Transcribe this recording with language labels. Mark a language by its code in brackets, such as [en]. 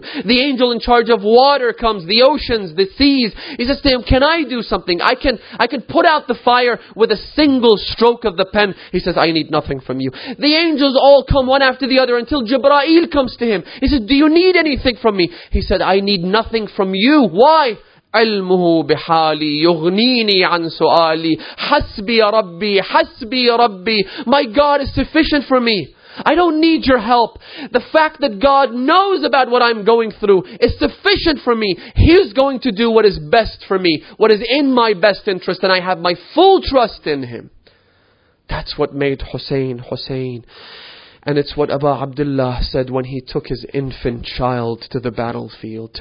[en] The angel in charge of water comes, the oceans, the seas. He says to him, can I do something? I can put out the fire with a single stroke of the pen. He says, I need nothing from you. The angels all come one after the other until Jibra'il comes to him. He says, do you need anything from me? He said, I need nothing from you. Why? [ar] عِلْمُهُ بِحَالِي يُغْنِينِي عَنْ سُؤَالِي حَسْبِي رَبِّي. [en] My God is sufficient for me. I don't need your help. The fact that God knows about what I'm going through is sufficient for me. He's going to do what is best for me, what is in my best interest, and I have my full trust in Him. That's what made Hussein, Hussein. And it's what Abu Abdullah said when he took his infant child to the battlefield.